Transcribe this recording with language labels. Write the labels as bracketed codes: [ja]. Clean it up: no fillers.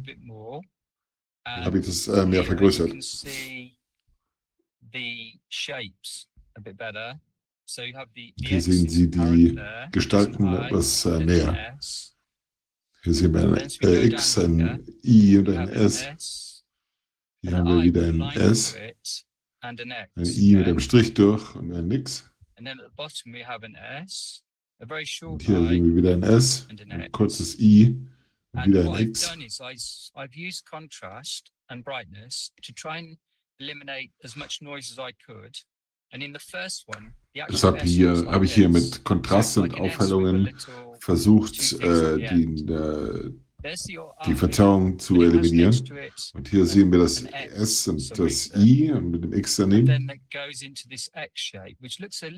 [de] Hier habe ich das mehr vergrößert. Hier sehen Sie die Gestalten etwas näher. Hier sehen wir ein X, ein I und ein S. Hier haben wir wieder ein S, ein I mit einem Strich durch und ein X. [en] And then at the bottom we have an S, a very short [de] und hier sehen wir wieder ein S, ein kurzes I und wieder ein X. [en] I've used contrast and brightness to try and eliminate as much noise as I could. And in the first one, the actual S [de] hier, [en] like [de] habe ich hier mit Kontrast und Aufhellungen versucht, die Verzerrung zu eliminieren. Und hier sehen wir das S und das I mit dem X daneben. Und